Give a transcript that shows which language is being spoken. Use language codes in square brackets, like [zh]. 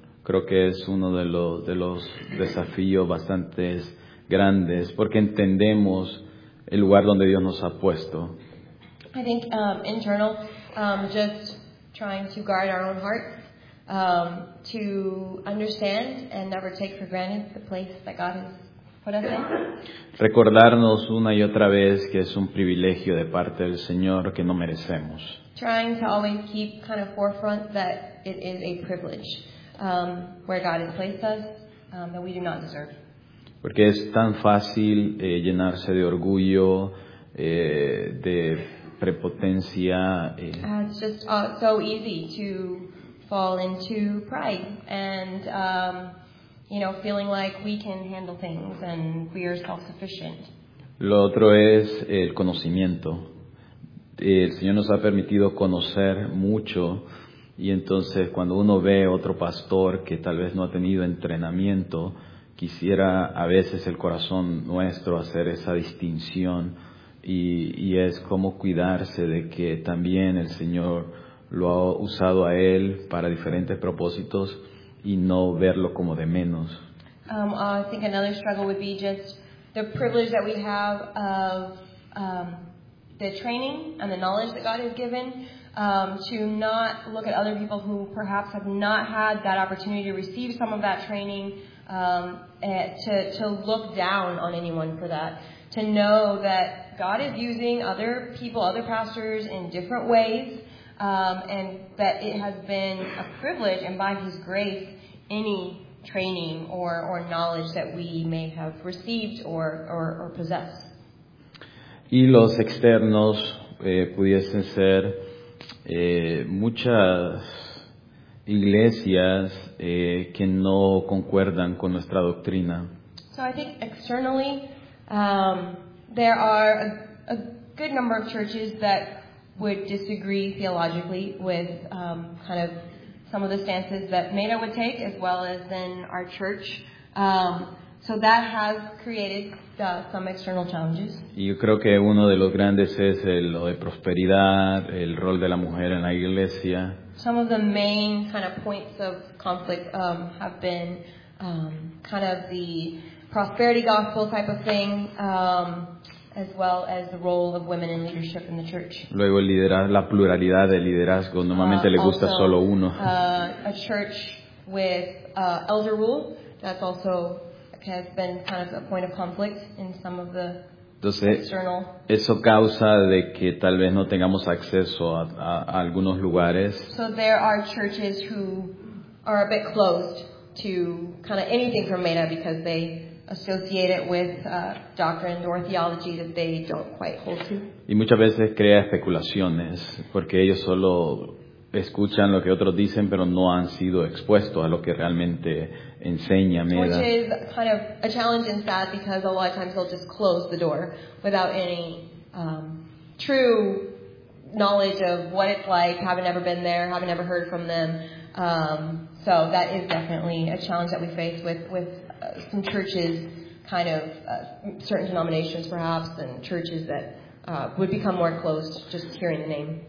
[es] Creo que es uno de los desafíos bastante grandes, porque entendemos el lugar donde Dios nos ha puesto. [en] I think internal, just trying to guard our own hearts, to understand and never take for granted the place that God has. [es] Recordarnos una y otra vez que es un privilegio de parte del Señor que no merecemos. [en] Trying to always keep kind of forefront that it is a privilege where God has placed us that we do not deserve. [es] Porque es tan fácil llenarse de orgullo, de prepotencia. [en] It's just so easy to fall into pride and you know, feeling like we can handle things and we are self-sufficient. [es] Lo otro es el conocimiento. El Señor nos ha permitido conocer mucho, y entonces cuando uno ve otro pastor que tal vez no ha tenido entrenamiento, quisiera a veces el corazón nuestro hacer esa distinción, y es como cuidarse de que también el Señor lo ha usado a él para diferentes propósitos, y no verlo como de menos. [en] I think another struggle would be just the privilege that we have of the training and the knowledge that God has given, to not look at other people who perhaps have not had that opportunity to receive some of that training to look down on anyone for that, to know that God is using other people, other pastors in different ways, and that it has been a privilege, and by His grace, any training or knowledge that we may have received or possess. [es] Y los externos pudiesen ser muchas iglesias que no concuerdan con nuestra doctrina. [en] So I think externally there are a good number of churches that would disagree theologically with kind of some of the stances that MENA would take, as well as in our church. So that has created some external challenges. [es] Y yo creo que uno de los grandes es lo de prosperidad, el rol de la mujer en la iglesia. [en] Some of the main kind of points of conflict have been kind of the prosperity gospel type of thing, as well as the role of women in leadership in the church. [es] Luego el liderazgo, la pluralidad de liderazgo, normalmente le gusta [en] also, [es] solo uno. [en] A church with elder rule, that's also has been kind of a point of conflict in some of the [es] Entonces, [en] external. [es] Eso causa de que tal vez no tengamos acceso a algunos lugares. [en] So there are churches who are a bit closed to kind of anything from MENA because they associate it with doctrine or theology that they don't quite hold to. [es] Y muchas veces crea especulaciones porque ellos solo escuchan lo que otros dicen pero no han sido expuestos a lo que realmente enseña MENA. [en] Which is kind of a challenge and sad because a lot of times they'll just close the door without any true knowledge of what it's like, having never been there, having never heard from them. So that is definitely a challenge that we face with some churches, kind of certain denominations perhaps, and churches that would become more closed just hearing the name.